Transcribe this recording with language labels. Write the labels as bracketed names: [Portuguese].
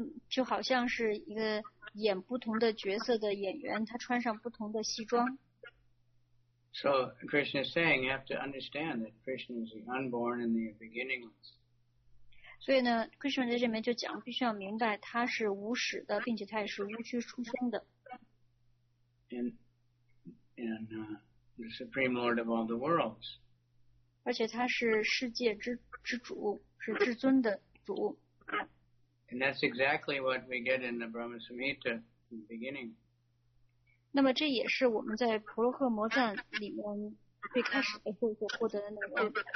[Chinese] 就好像是一个演不同的角色的演员，他穿上不同的西装。 [English] So Krishna is saying, you have to understand that Krishna is the unborn and the beginningless. [Chinese] 所以呢 ，Krishna 在这边就讲，必须要明白他是无始的，并且他也是无需出生的。 [English] And the supreme lord of all the worlds. [Chinese] 而且他是世界之主，是至尊的主。 [English] And that's exactly what we get in the Brahma Samhita in the beginning. [Chinese] 那么这也是我们在婆罗诃摩赞里面最开始的时候获得的内容。